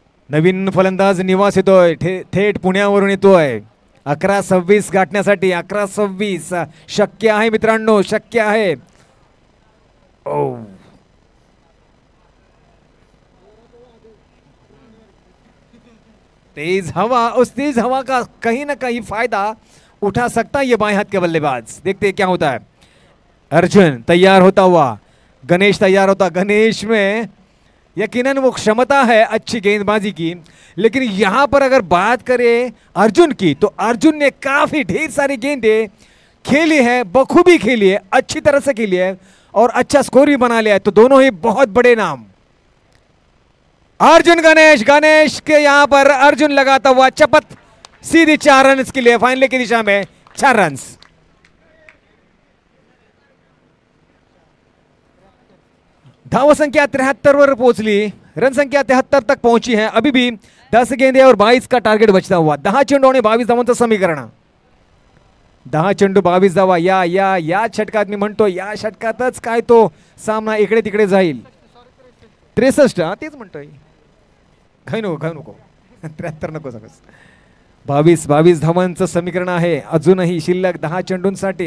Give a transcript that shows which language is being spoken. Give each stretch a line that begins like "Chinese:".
Marathi: नवीन फलंदाज निवास येतोय, थेट पुण्यावरून येतोय. 11-26 गाठण्यासाठी 11-26 शक्य आहे मित्रांनो, शक्य आहे.
Hindi: ओ तेज हवा, उस तेज हवा का कहीं ना कहीं फायदा उठा सकता है ये बाएं हाथ के बल्लेबाज. देखते हैं क्या होता है. अर्जुन तैयार होता हुआ, गणेश तैयार होता. गणेश में यकीनन वो क्षमता है अच्छी गेंदबाजी की, लेकिन यहां पर अगर बात करें अर्जुन की, तो अर्जुन ने काफी ढेर सारी गेंदें खेली है, बखूबी खेली है, अच्छी तरह से खेली है और अच्छा स्कोर भी बना लिया है. तो दोनों ही बहुत बड़े नाम, अर्जुन गणेश. गणेश के यहां पर अर्जुन लगाता हुआ चपत, सीधी 4 रन के लिए, फाइनल की दिशा में 4 रन.
Marathi: धाव संख्या 73 पर पहुंचली,
Hindi: रन संख्या 73 तक पहुंची है. अभी भी 10 गेंदे और 22 का टारगेट बचता हुआ.
Marathi: 10 चेंडू ने 22 धावांचं समीकरण, 10 चेंडू 22 धावा. या षटकात मी म्हणतो, या षटकातच काय तो सामना इकडे तिकडे जाईल. 63 हा तेच म्हणतोय, घाय नको 73 नको सगळं. 22 धावांचं समीकरण आहे अजूनही शिल्लक 10 चेंडूंसाठी.